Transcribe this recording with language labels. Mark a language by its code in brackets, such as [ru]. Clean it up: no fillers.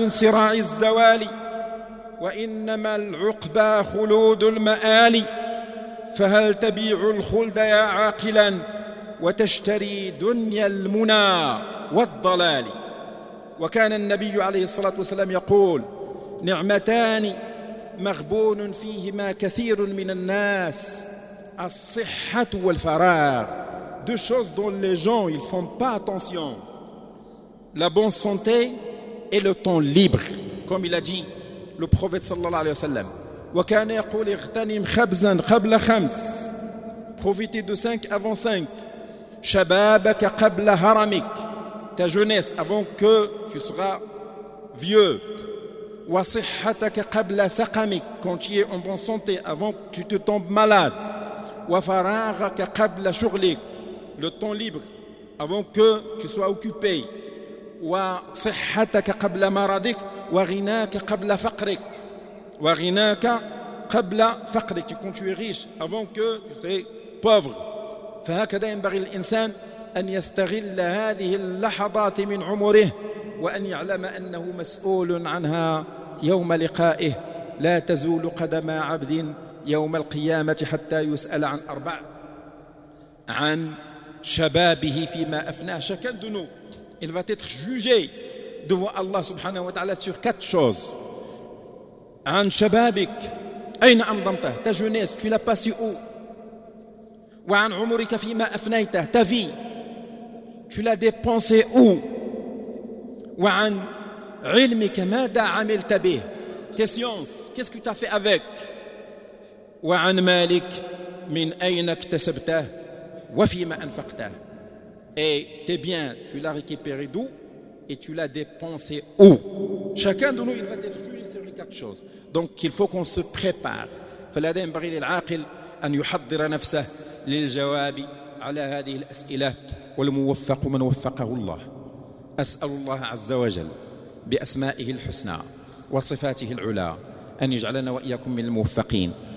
[ar] سراع الزوالي وإنما العقبى خلود المآل فهل تبيع الخلد يا عاقلا وتشتري دنيا المنى والضلال. وكان النبي عليه الصلاة والسلام يقول نعمتان مغبون فيهما كثير من الناس الصحة والفراغ. [fr] Deux choses dont les gens ils font pas attention, la bonne santé et le temps libre, comme il a dit le prophète sallallahu alayhi wa sallam. [ar] وكان يقول اغتنم خبزا قبل خمس [fr] profitez de 5 avant 5 [ar] شبابك قبل هرمك [fr] ta jeunesse avant que tu seras vieux [ar] وصحتك قبل سقمك [fr] quand tu es en bonne santé avant que tu te tombes malade [ar] وفراغك قبل شغلك [fr] le temps libre avant que tu sois occupé [ar] وصحتك قبل مرضك وغناك قبل فقرك [fr] وغناك قبل فقرك quand tu es riche avant que tu sois pauvre. [ar] فهكذا ينبغي الإنسان أن يستغل هذه اللحظات من عمره وأن يعلم أنه مسؤول عنها يوم لقائه لا تزول قدم عبد يوم القيامة حتى يسأل عن أربع عن شبابه فيما أفناه. [fr] Chacun de nous il va être jugé devant Allah subhanahu wa ta'ala sur quatre choses. [ar] عن شبابك أين أمضمته [fr] ta jeunesse tu l'as passé où [ar] وعن عمرك فيما أفنيته [fr] ta vie tu l'as dépensé où [ar] وعن علمك ماذا عملت به [fr] tes sciences qu'est-ce que tu as fait avec [ar] وعن مالك من أين اكتسبته وفيما أنفقته [fr] et tes biens tu l'as récupéré d'où et tu l'as dépensé où. Chacun de nous il va être jugé sur les quatre choses, donc il faut qu'on se prépare. [ar] فلا ينبغي للعاقل أن يحضر نفسه للجواب على هذه الأسئلة والموفق من وفقه الله. أسأل الله عز وجل بأسمائه الحسنى وصفاته العلى أن يجعلنا وإياكم من الموفقين.